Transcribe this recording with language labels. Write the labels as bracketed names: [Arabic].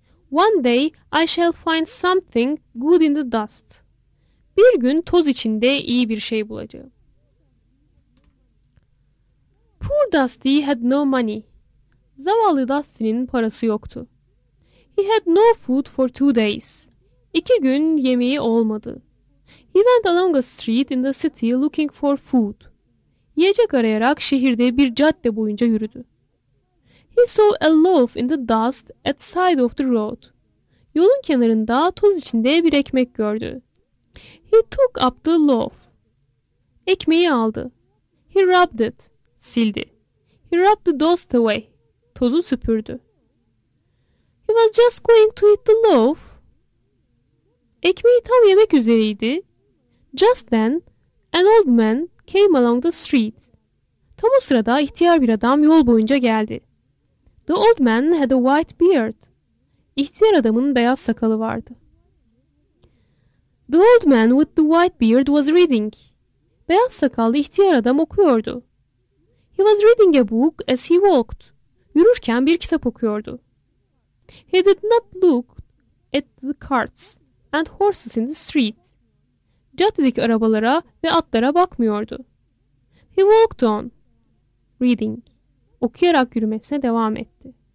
[English] One day I shall find something good in the dust. [Turkish] Bir gün toz içinde iyi bir şey bulacağım." [English] Poor Dusty had no money. [Turkish] Zavallı Dusty'nin parası yoktu. [English] He had no food for 2 days. [Turkish] 2 gün yemeği olmadı. [English] He went along a street in the city looking for food. [Turkish] Yiyecek arayarak şehirde bir cadde boyunca yürüdü. [English] He saw a loaf in the dust at the side of the road. [Turkish] Yolun kenarında toz içinde bir ekmek gördü. [English] He took up the loaf. [Turkish] Ekmeği aldı. [English] He rubbed it. [Turkish] Sildi. [English] He rubbed the dust away. [Turkish] Tozu süpürdü. [English] He was just going to eat the loaf. [Turkish] Ekmeği tam yemek üzereydi. [English] Just then, an old man came along the street. [Turkish] Tam o sırada ihtiyar bir adam yol boyunca geldi. [English] The old man had a white beard. [Turkish] İhtiyar adamın beyaz sakalı vardı. [English] The old man with the white beard was reading. [Turkish] Beyaz sakallı ihtiyar adam okuyordu. [English] He was reading a book as he walked. [Turkish] Yürürken bir kitap okuyordu. [English] He did not look at the carts and horses in the street. [Turkish] Caddedeki arabalara ve atlara bakmıyordu. [English] He walked on, reading, [Turkish] okuyarak yürümesine devam etti.